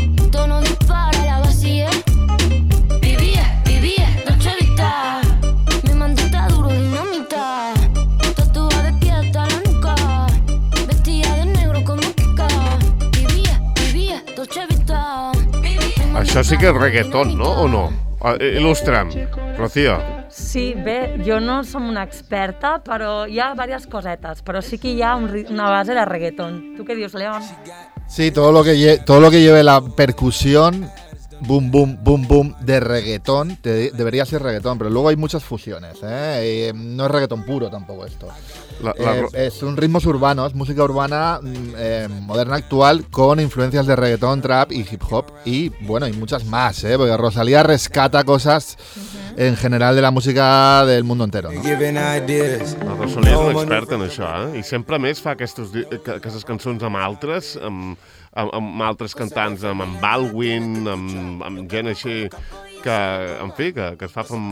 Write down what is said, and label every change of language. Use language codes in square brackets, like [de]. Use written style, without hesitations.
[es] Tono dispara, la vacía. Vivía, vivía, noche vista. Mi mando está duro, dinamita. Tatúa de pie hasta la nuca. Vestía de negro como Kika. Vivía, vivía, noche vista. [ca] Això sí que és reggaeton, no? O no? Il·lustra'm, Rocío. Sí, bé, jo no som una experta, però hi ha diverses cosetes, però sí que hi ha una base de reggaeton. Tu què dius, León? [es] Sí, todo lo que lleve la percusión, boom, boom, boom, boom, de reggaeton, debería ser reggaeton, pero luego hay muchas fusiones, ¿eh? Y no es reggaeton puro tampoco esto. Es un ritmo urbano, es música urbana moderna actual con influencias de reggaeton, trap y hip hop. Y bueno, y muchas más, ¿eh? Porque Rosalía rescata cosas en general de la música del mundo entero, ¿no? La Rosalía es una experta en eso, ¿eh? [ca] Y siempre más fa aquestes cançons amb altres, amb altres cantants, amb Baldwin, amb gent així, que, en fi, que es fa...